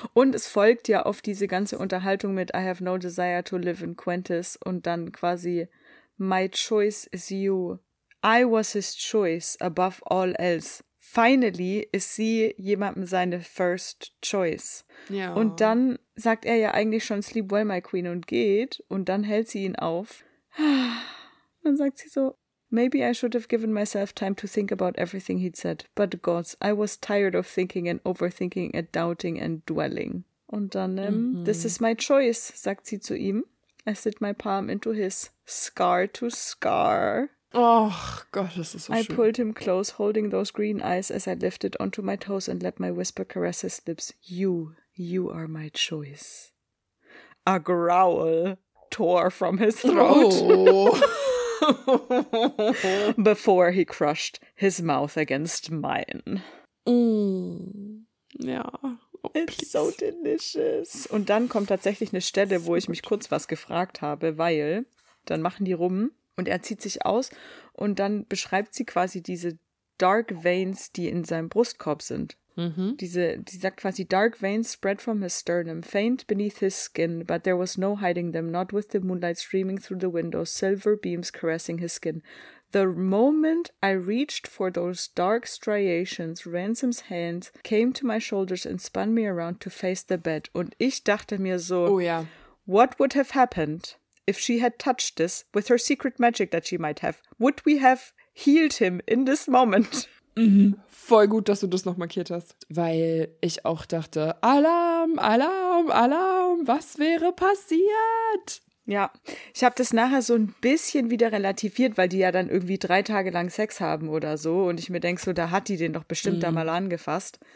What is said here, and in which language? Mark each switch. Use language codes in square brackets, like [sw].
[de] Und es folgt ja auf diese ganze Unterhaltung mit [en] I have no desire to live in Quintus [de] und dann quasi [en] my choice is you. I was his choice above all else. Finally [de] ist sie jemandem seine [en] first choice. [de] Ja. Und dann sagt er ja eigentlich schon [en] sleep well my queen [de] und geht und dann hält sie ihn auf. Dann sagt sie so, [en] maybe I should have given myself time to think about everything he'd said. But gods, I was tired of thinking and overthinking and doubting and dwelling. [de] Und dann, [en] this is my choice, [de] sagt sie zu ihm. [en] I slid my palm into his scar to scar. [de] Oh Gott, das ist so schön. [en] I pulled him close, holding those green eyes as I lifted onto my toes and let my whisper caress his lips. You are my choice. A growl tore from his throat. Oh. Before he crushed his mouth against mine. Mm. Ja. Oh, it's please. So delicious. [de] Und dann kommt tatsächlich eine Stelle, wo ich mich kurz was gefragt habe, weil dann machen die rum und er zieht sich aus und dann beschreibt sie quasi diese [en] dark veins, [de] die in seinem Brustkorb sind. Mm-hmm. Die sagt quasi, [en] dark veins spread from his sternum, faint beneath his skin, but there was no hiding them, not with the moonlight streaming through the windows, silver beams caressing his skin. The moment I reached for those dark striations, Ransom's hands came to my shoulders and spun me around to face the bed. [de] Und ich dachte mir so, [en] oh, yeah. What would have happened if she had touched this with her secret magic that she might have? Would we have healed him in this moment? Mhm. [de] Voll gut, dass du das noch markiert hast. Weil ich auch dachte, Alarm, Alarm, Alarm, was wäre passiert? Ja, ich habe das nachher so ein bisschen wieder relativiert, weil die ja dann irgendwie 3 Tage lang Sex haben oder so. Und ich mir denke so, da hat die den doch bestimmt da mal angefasst.